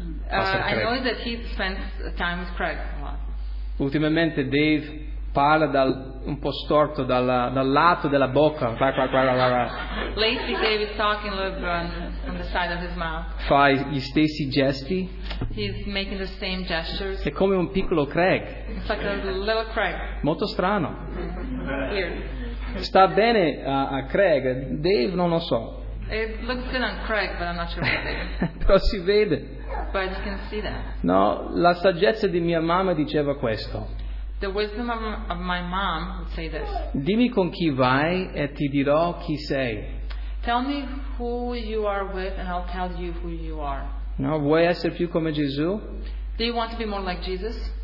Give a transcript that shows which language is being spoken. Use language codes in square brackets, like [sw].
[en] I know that he spends time with Craig a lot. [it] Ultimamente Dave parla dal un po' storto dal lato della bocca. [en] Lately Dave is talking a little bit on the side of his mouth. [it] Fa gli stessi gesti. [en] He's making the same gestures. [it] È come un piccolo Craig. [en] It's like a little Craig. [it] Molto strano. [en] Weird. [it] Sta bene a Craig, Dave non lo so. [en] It looks good on Craig, but I'm not sure about Dave. [it] Però si vede. [en] But you can see that. [it] No, la saggezza di mia mamma diceva questo. [en] The wisdom of my mom would say this. [it] Dimmi con chi vai e ti dirò chi sei. [en] Tell me who you are with and I'll tell you who you are. [it] No, vuoi essere più come Gesù? [en] Do you want to be more like Jesus?